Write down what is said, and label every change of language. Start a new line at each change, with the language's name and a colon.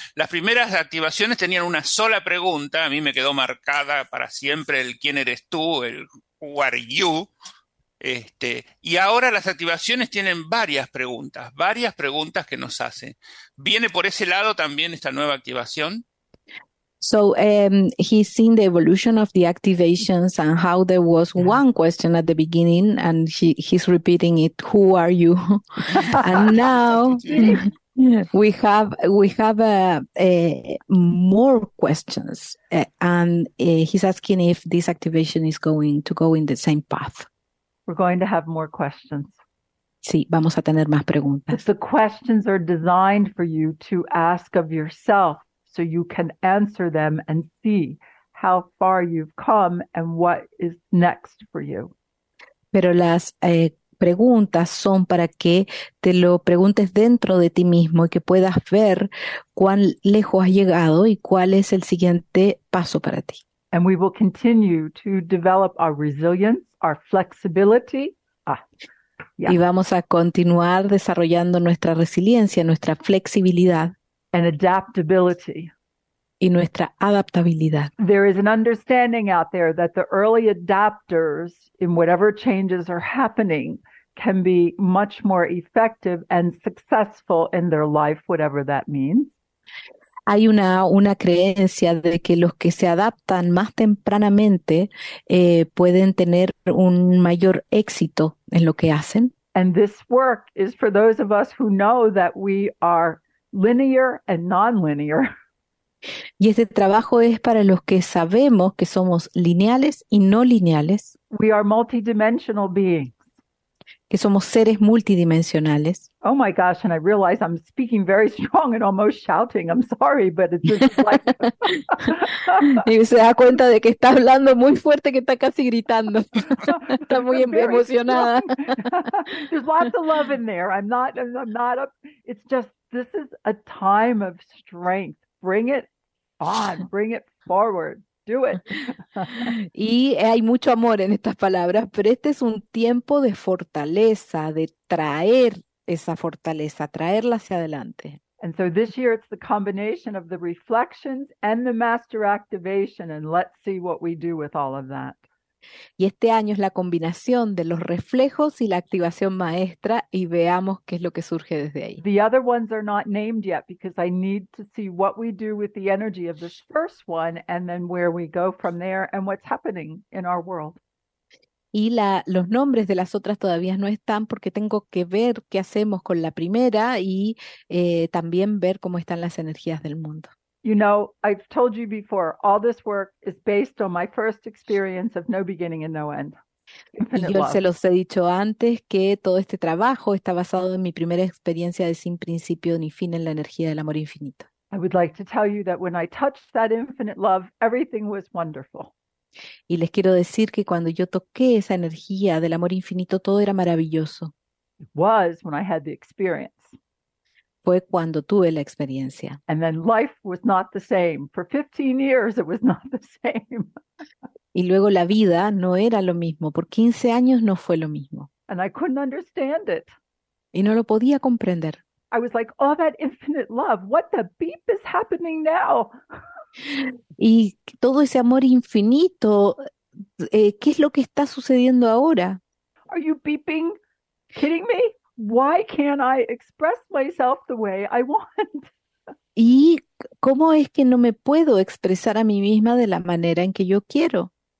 Spanish: Las primeras activaciones tenían una sola pregunta, a mí me quedó marcada para siempre el quién eres tú, el
English: who are you,
Spanish: y ahora las activaciones tienen varias preguntas que nos hacen. ¿Viene por ese lado también esta nueva activación?
English: So he's seen the evolution of the activations and how there was one question at the beginning and he's repeating it, who are you? And now we have more questions he's asking if this activation is going to go in the same path. We're going to have more questions.
Spanish: Sí, vamos a tener más preguntas.
English: But the questions are designed for you to ask of yourself so you can answer them and see how far you've come and what is next for you.
Spanish: Pero las preguntas son para que te lo preguntes dentro de ti mismo y que puedas ver cuán lejos has llegado y cuál es el siguiente paso para ti.
English: And we will continue to develop our resilience, our flexibility.
Spanish: Y vamos a continuar desarrollando nuestra resiliencia, nuestra flexibilidad.
English: And adaptability.
Spanish: Y nuestra adaptabilidad.
English: There is an understanding out there that the early adapters in whatever changes are happening can be much more effective and successful in their life, whatever that means.
Spanish: Hay una creencia de que los que se adaptan más tempranamente pueden tener un mayor éxito en lo que hacen.
English: And this work is for those of us who know that we are linear and non-linear.
Spanish: Y ese trabajo es para los que sabemos que somos lineales y no lineales,
English: We are multidimensional beings.
Spanish: que somos seres multidimensionales.
English: Oh my gosh, and I realize I'm speaking very strong and almost shouting. I'm sorry, but it's just
Spanish: Y se da cuenta de que está hablando muy fuerte, que está casi gritando. Está muy
English: I'm very strong.
Spanish: emocionada.
English: There's lots of love in there. I'm not up. It's just this is a time of strength. Bring it on. Bring it forward. Do it.
Spanish: Y hay mucho amor en estas palabras, pero este es un tiempo de fortaleza, de traer esa fortaleza, traerla hacia adelante.
English: And so this year it's the combination of the reflections and the master activation, and let's see what we do with all of that.
Spanish: Y este año es la combinación de los reflejos y la activación maestra, y veamos qué es lo que surge desde ahí.
English: The other ones are not named yet because I need to see what we do with the energy of this first one and then where we go from there and what's happening in our world.
Spanish: Y los nombres de las otras todavía no están porque tengo que ver qué hacemos con la primera y también ver cómo están las energías del mundo.
English: You know, I've told you before, all this work is based on my first experience of no beginning and no end.
Spanish: Y
English: Infinite
Spanish: yo
English: love.
Spanish: se los he dicho antes que todo este trabajo está basado en mi primera experiencia de sin principio ni fin en la energía del amor infinito.
English: I would like to tell you that when I touched that infinite love, everything was wonderful.
Spanish: Y les quiero decir que cuando yo toqué esa energía del amor infinito, todo era maravilloso.
English: It was when I had the experience.
Spanish: Fue cuando tuve la experiencia.
English: And then life was not the same. For 15 years, it was not the same.
Spanish: Y luego la vida no era lo mismo. Por 15 años no fue lo mismo.
English: And I couldn't understand it.
Spanish: Y no lo podía comprender.
English: I was like, oh, that infinite love. What the beep is happening now?
Spanish: Y todo ese amor infinito, ¿qué es lo que está sucediendo ahora?
English: Are you beeping? Kidding me? Why can't I express myself the way I want?
Spanish: ¿Y cómo es que no me puedo expresar a mí misma de la manera en que yo quiero?